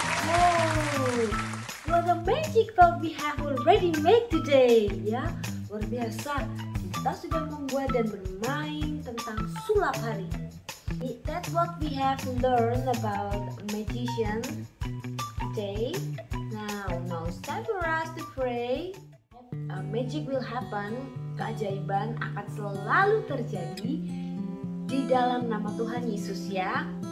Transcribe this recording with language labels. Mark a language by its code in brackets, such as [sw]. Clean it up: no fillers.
[en] Wow, what a magic that we have already made today, ya. [id] Luar biasa, kita sudah membuat dan bermain tentang sulap hari ini. [en] That's what we have learned about magician today. Now it's time for us to pray. Magic will happen. [id] Keajaiban akan selalu terjadi di dalam nama Tuhan Yesus, ya.